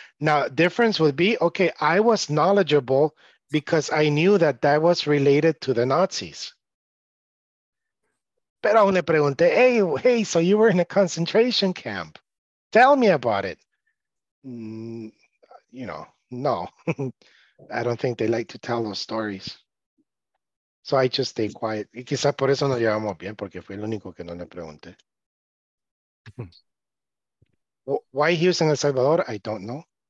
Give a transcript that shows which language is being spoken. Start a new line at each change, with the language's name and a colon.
English: Now, difference would be, okay, I was knowledgeable because I knew that was related to the Nazis.
Spanish: Pero aún le pregunté,
English: hey, so you were in a concentration camp. Tell me about it. You know, no. I don't think they like to tell those stories. So I just stay quiet.
Spanish: Y quizá por eso nos llevamos bien, porque fui el único que no le pregunté.
English: Why he was in El Salvador, I don't know.